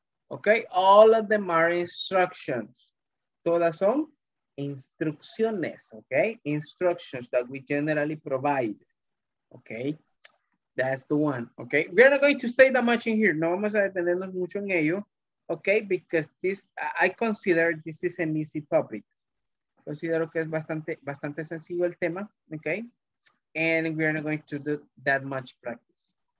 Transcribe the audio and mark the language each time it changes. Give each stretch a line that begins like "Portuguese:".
English: Okay. All of them are instructions.
Spanish: Todas son instrucciones.
English: Okay. Instructions that we generally provide. Okay. That's the one, okay? We're not going to stay that much in here.
Spanish: No vamos a detenernos mucho en ello,
English: okay? Because this, I consider this is an easy topic.
Spanish: Considero que es bastante sencillo el tema, okay?
English: And we're not going to do that much practice.